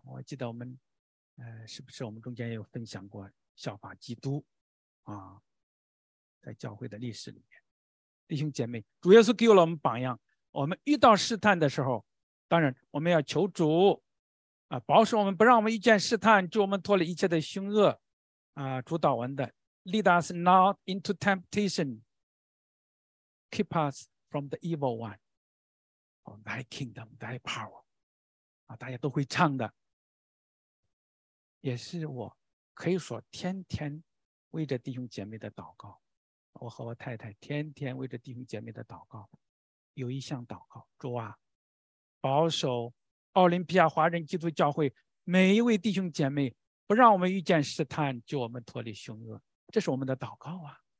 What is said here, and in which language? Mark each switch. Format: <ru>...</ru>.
<zh>我记得我们是不是我们中间有分享过效法基督啊，在教会的历史里面。弟兄姐妹，主耶稣给了我们榜样，我们遇到试探的时候，当然我们要求主啊，保守我们，不让我们遇见试探，助我们脱离一切的凶恶啊。主祷文的</zh> <en>Lead us not into temptation, keep us from the evil one. Oh, thy kingdom, thy power.</en> <zh>啊，大家都会唱的，也是我可以说天天为着弟兄姐妹的祷告。我和我太太天天为着弟兄姐妹的祷告，有一项祷告，主啊，保守奥林匹亚华人基督教会每一位弟兄姐妹，不让我们遇见试探，救我们脱离凶恶，这是我们的祷告啊。</zh>